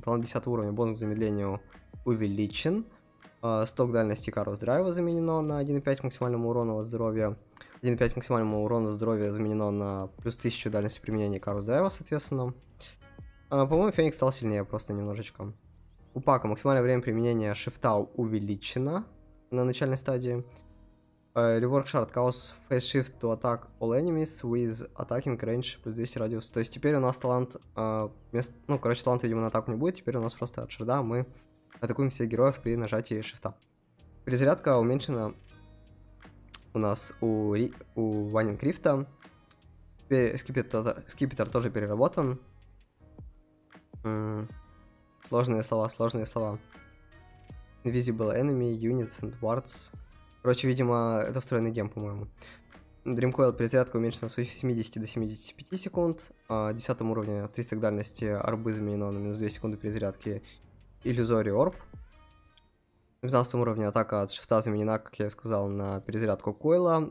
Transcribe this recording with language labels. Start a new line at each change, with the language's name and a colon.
Russian: Талант 10 уровня, бонус к замедлению увеличен. Сток дальности Икарус Драйва заменено на 1.5 максимального урона от здоровья. 1.5 максимального урона здоровья заменено на плюс 1000 дальности применения Икарус Драйва, соответственно. По-моему, Феникс стал сильнее просто немножечко. У Пака максимальное время применения шифта увеличено на начальной стадии.
English: Rework Shard Chaos Phase Shift to attack all enemies with attacking range
Russian: плюс 200 радиус. То есть теперь у нас талант... талант, видимо, на атаку не будет. Теперь у нас просто от шарда мы атакуем всех героев при нажатии шифта. Перезарядка уменьшена у нас у Ванинг Рифта. Теперь Скипетр тоже переработан. Сложные слова.
English: Invisible Enemy, Units and Wards.
Russian: Короче, видимо, это встроенный гем, по-моему. Dreamcoil перезарядка уменьшена с 70 до 75 секунд. 10 уровне 300 к дальности арбы заменено на минус 2 секунды перезарядки Illusory Orb. На 15 уровне атака от шифта заменена, как я и сказал, на перезарядку койла.